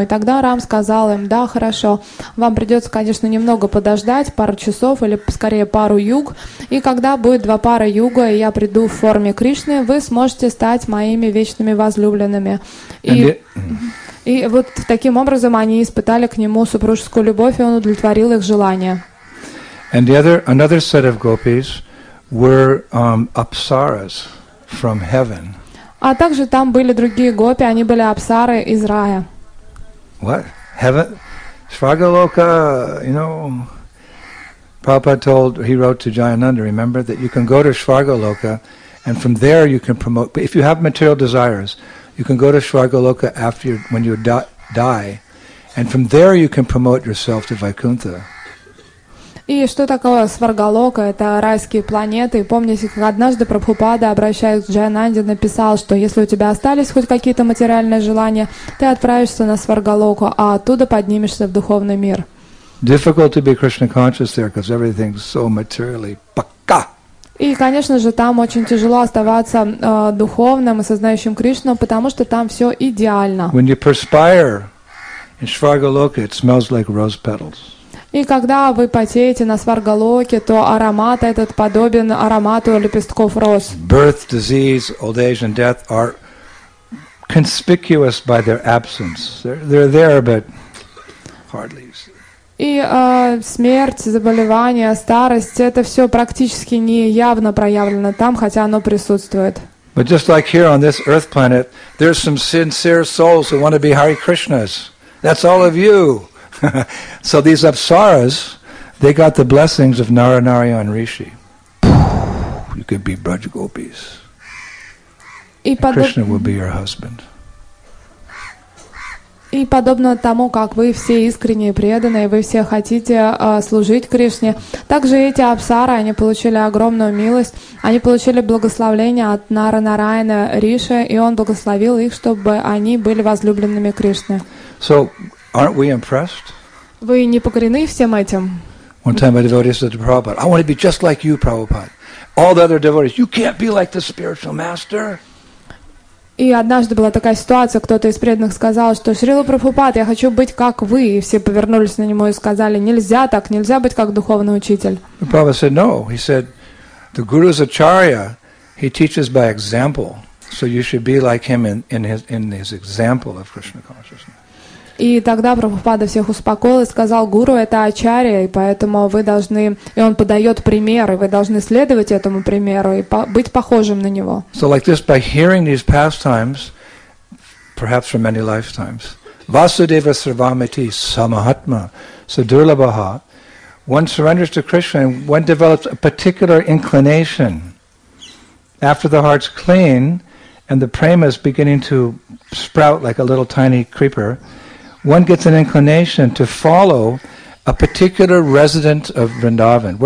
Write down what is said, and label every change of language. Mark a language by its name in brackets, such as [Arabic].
[Russian] И тогда Рам сказал им, да, хорошо, вам придется, конечно, немного подождать, пару часов или, скорее, пару юг. И когда будет два пары юга, и я приду в форме Кришны, вы сможете стать моими вечными возлюбленными. И вот таким образом они испытали к Нему супружескую любовь, и Он удовлетворил их желание. [English] And the other, another set of gopis were apsaras from heaven. [Russian] А также там были другие гопи, они были апсары из рая. [English] What? Heaven? Svargaloka, you know, Prabhupada told, he wrote to Jayananda, remember, that you can go to Svargaloka, and from there you can promote, but if you have material desires, you can go to Svargaloka after you, when you die, and from there you can promote yourself to Vaikuntha. [Russian] И что такое Сваргалока? Это райские планеты. И помните, как однажды Прабхупада, обращаясь к Джайананде, написал, что если у тебя остались хоть какие-то материальные желания, ты отправишься на Сваргалоку, а оттуда поднимешься в духовный мир. [English] Difficult to be Krishna conscious there, because everything's so materially [Russian] пока. И, конечно же, там очень тяжело оставаться духовным и сознающим Кришну, потому что там все идеально. [English] When you perspire in Svargaloka, it smells like rose petals. [Russian] И когда вы потеете на Сваргалоке, то аромат этот подобен аромату лепестков роз. [English] Birth, disease, old age and death are conspicuous by their absence. They're there, but hardly. [Russian] И смерть, заболевания, старость — это все практически не явно проявлено там, хотя оно присутствует. [English] But just like here on this earth planet, there's some sincere souls who want to be Hare Krishnas. That's all of you. So these apsaras, they got the blessings of Naranarayan Rishi. You could be Braj Gopis. And Krishna will be your husband. [Russian] И подобно тому, как вы все искренние преданные, вы все хотите служить Кришне, также эти апсары, они получили огромную милость, они получили благословение от Наранараяна Риши, и он благословил их, чтобы они были возлюбленными Кришны. [English] So, aren't we impressed? [Russian] Вы не покорены всем этим? [English] One time a devotee said to Prabhupada, I want to be just like you, Prabhupada. All the other devotees, you can't be like the spiritual master. [Russian] И однажды была такая ситуация, кто-то из преданных сказал, что Шрила Прабхупад, я хочу быть как вы. И все повернулись на него и сказали, нельзя так, нельзя быть как духовный учитель. [English] Prabhupada said, no. He said, the guru is acharya, he teaches by example. So you should be like him in his example of Krishna consciousness. [Russian] И тогда Прабхупада всех успокоил и сказал, гуру это ачарья, и поэтому вы должны, и он подает пример, и вы должны следовать этому примеру и быть похожим на него. [English] So like this, by hearing these pastimes, perhaps for many lifetimes, Vasudeva Sarvamiti Samahatma Sadurlabaha, one surrenders to Krishna and one develops a particular inclination. After the heart's clean and the prema is beginning to sprout like a little tiny creeper, one gets an inclination to follow a particular resident of Vrindavan.